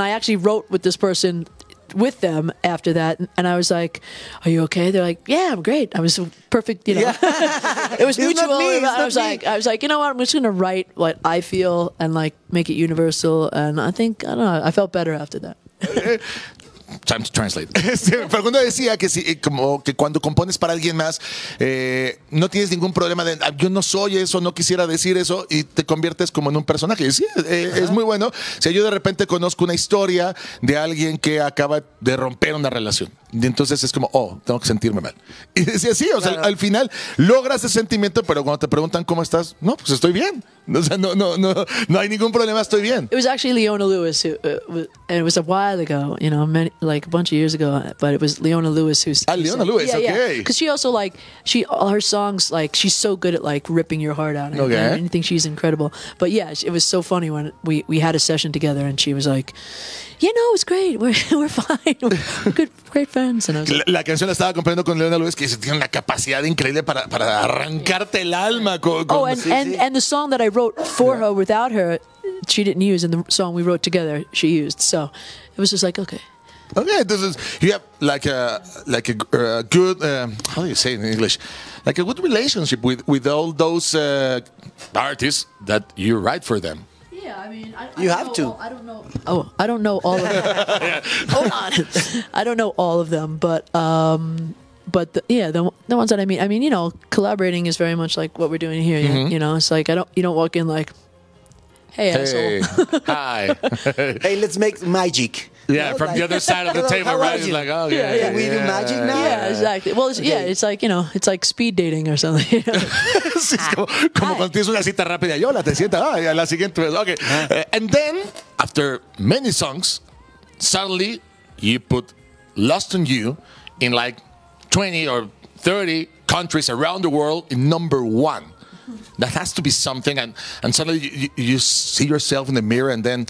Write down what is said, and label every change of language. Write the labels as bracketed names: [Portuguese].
[English] I actually wrote with this person with them after that, and I was like, are you okay? They're like, yeah, I'm great. I was perfect, you know. Yeah. It was mutual. I was like, you know what? I'm just going to write what I feel and like make it universal. And I think, I don't know, I felt better after that. Time to translate. [Spanish] Facundo decía que si, como que cuando compones para alguien más, no tienes ningún problema de yo no soy eso, no quisiera decir eso, y te conviertes como en un personaje. Y sí, es muy bueno. Si yo de repente conozco una historia de alguien que acaba de romper una relación, y entonces es como, oh, tengo que sentirme mal. Y decía, sí, o sea, claro. Al final logras ese sentimiento, pero cuando te preguntan cómo estás, no, pues estoy bien. O sea, no hay ningún problema, estoy bien. [English] It was actually Leona Lewis who and it was a while ago, you know, many, like a bunch of years ago, but it was Leona Lewis who's Leona said, Lewis, yeah, okay. Yeah. Cuz she also like she all her songs like she's so good at like ripping your heart out. Okay. And anything, she's incredible. But yeah, it was so funny when we had a session together and she was like, "Yeah, no, it was great. We're fine. We're good great friends." And I was [Spanish] la canción la estaba comprendiendo con Leona Lewis, que tiene una capacidad increíble para arrancarte el alma con [English] and the song that I wrote for her without her, she didn't use, and the song we wrote together, she used. So it was just like, okay. Okay, this is, you have like a good, how do you say it in English? Like a good relationship with all those artists that you write for them. Yeah, I mean, I don't know all of them. I don't know all of them, but the ones that I mean, you know, collaborating is very much like what we're doing here. Mm-hmm. You know, it's like, you don't walk in like, hey, asshole. Hi. Hey, let's make magic. Yeah, you know, from like, the other side of the table, right? It's like, oh, yeah. Can we do magic now? Yeah, exactly. Well, it's, okay. Yeah, it's like, you know, it's like speed dating or something. [Spanish] Sí, es como cuando tienes una cita rápida. Yo la te siento. Ah, ya, la siguiente vez. Okay. [English] And then, after many songs, suddenly you put Lost on You in like 20 or 30 countries around the world in number one. That has to be something, and suddenly you see yourself in the mirror, and then